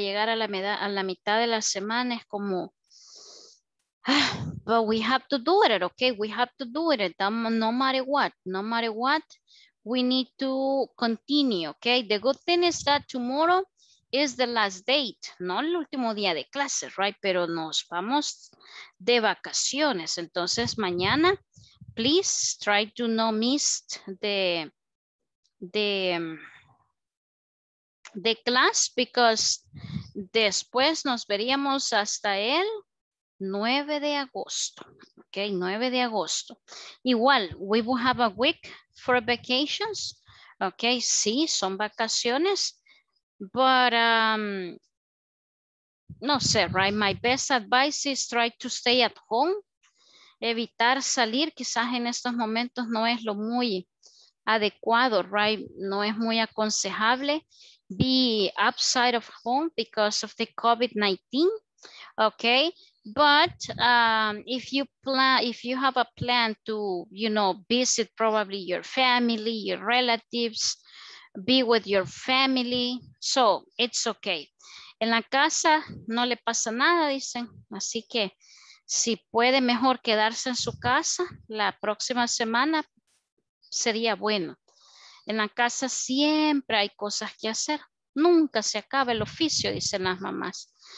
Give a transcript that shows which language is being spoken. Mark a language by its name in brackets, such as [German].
[Spanish] Llegar a la mitad de la semana es como... [English] But we have to do it, okay? We have to do it, no matter what. No matter what, we need to continue, okay? The good thing is that tomorrow is the last date, no el último día de clases, right? [Spanish] Pero nos vamos de vacaciones. Entonces mañana, please try to not miss the class, because después nos veríamos hasta el 9 de agosto, okay? [English] 9 de agosto. Igual, we will have a week for vacations, okay? [Spanish] Sí, son vacaciones. But, no sé, right? [English] My best advice is try to stay at home. [Spanish] Evitar salir quizás en estos momentos no es lo muy adecuado, right? No es muy aconsejable. [English] Be outside of home because of the COVID-19, okay? But if you have a plan to, you know, visit probably your family, your relatives, be with your family, so it's okay. [Spanish] En la casa no le pasa nada, dicen. Así que si puede mejor quedarse en su casa la próxima semana, sería bueno. En la casa siempre hay cosas que hacer. Nunca se acaba el oficio, dicen las mamás.